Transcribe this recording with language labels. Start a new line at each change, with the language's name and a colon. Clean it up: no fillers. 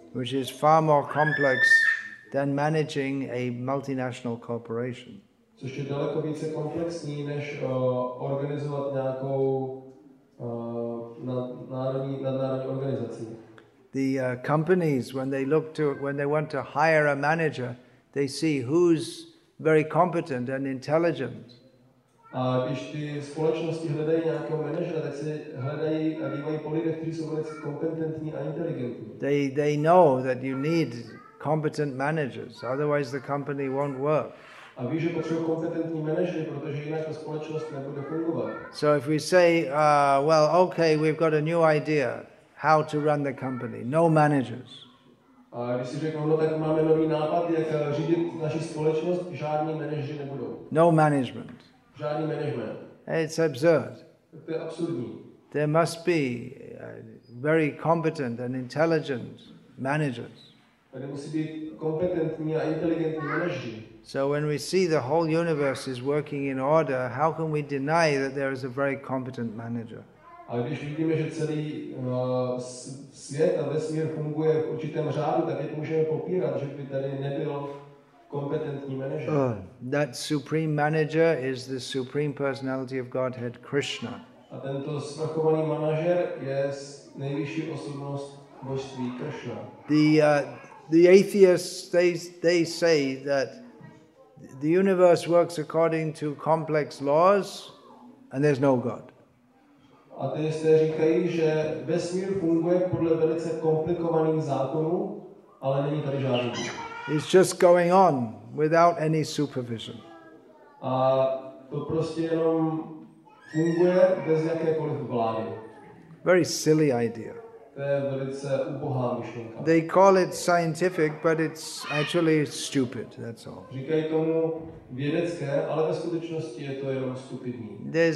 English: Which is far more complex than managing a multinational corporation.
Czech: Což je daleko více komplexní, než organizovat nějakou nadnárodní organizaci.
English: The companies, when they want to hire a manager, they see who's very competent and intelligent.
Czech: A když ty společnosti hledají nějakého manažera, tak se hledají a bývají po lidech, kteří jsou velice kompetentní a inteligentní.
English: They know that you need competent managers, otherwise the company won't work.
Czech: A ví, že potřebuje kompetentní manažery, protože jinak ta společnost nebude fungovat.
English: So if we say, well, okay, we've got a new idea, how to run the company, no managers.
Czech: A když si řeknu, no tak máme nový nápad, jak řídit naši společnost, žádní manažeři nebudou.
English: No management.
Czech: Žádný management.
English: It's absurd.
Czech: To je absurdní.
English: There must be very competent and intelligent managers.
Czech: Tady musí být kompetentní a inteligentní manažeři.
English: So when we see the whole universe is working in order, how can we deny that there is a very competent manager?
Czech: A když vidíme, že celý svět a vesmír funguje v určitém řádu, tak jak můžeme popírat, že by tady nebyl kompetentní manager?
English: That supreme manager is the supreme personality of Godhead, Krishna.
Czech: A tento svrchovaný manažer je nejvyšší osobnost božství Krishna.
English: The atheists, they say that the universe works according to complex laws, and there's no God.
Czech: Ateisté říkají, že vesmír funguje podle velice komplikovaných zákonů, ale není tady žádný Bůh.
English: It's just going on without any supervision.
Czech: A to prostě jenom funguje bez jakékoliv vlády.
English: Very silly idea.
Czech: To je velice ubohá myšlenka.
English: They call it scientific, but it's actually stupid, that's all.
Czech: Říkají tomu vědecké, ale ve skutečnosti je to jenom stupidní.